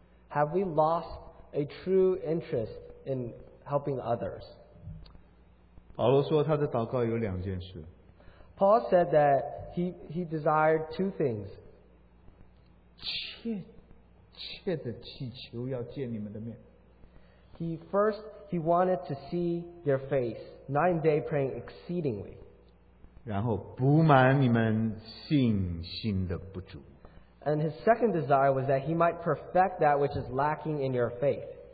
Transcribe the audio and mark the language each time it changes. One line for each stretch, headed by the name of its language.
English: Have we lost a true interest in helping others?
Chinese: 保罗说他的祷告有两件事。
English: Paul said that he desired two things.
Chinese: 切切地祈求要见你们的面。
English: He wanted to see their face, night and day praying exceedingly.
Chinese: 然后补满你们信心的不足。
English: And his second desire was that he might perfect that which is lacking in your faith.